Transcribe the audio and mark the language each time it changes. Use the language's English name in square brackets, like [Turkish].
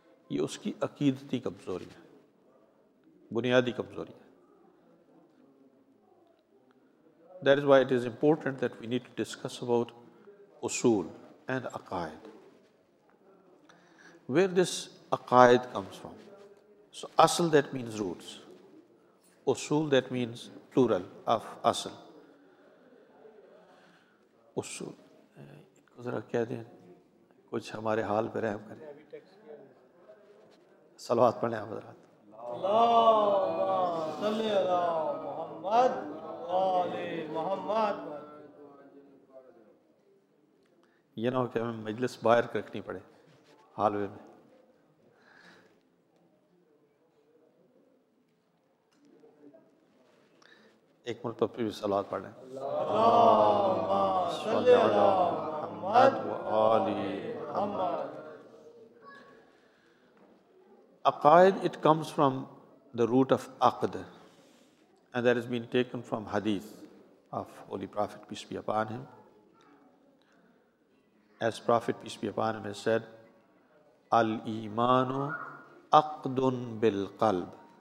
[Urdu] یہ اس کی عقیدتی کمزوری ہے، بنیادی کمزوری ہے. [English] That is why it is important that we need to discuss about usool and aqaid. Where this aqaid comes from. So asl that means roots. Usool that means plural of asl. [Urdu] اصول کو ذرا کہہ دیں، کچھ ہمارے حال پہ رحم کریں. صلوات پڑھنے آپ حضرات. [Arabic] اللہ صلی اللہ محمد آل محمد. [Urdu] یہ نہ ہو کہ ہمیں مجلس باہر رکھنی پڑے ہال وے میں. ایک منٹ پر بھی صلوات پڑھ لیں. [Arabic] اللہ صلی اللہ محمد آل محمد. [English] Aqaid, it comes from the root of aqd, and that has been taken from hadith of Holy Prophet, peace be upon him. As Prophet, peace be upon him, has said, [Arabic] Al-Imanu aqdun bil-qalb.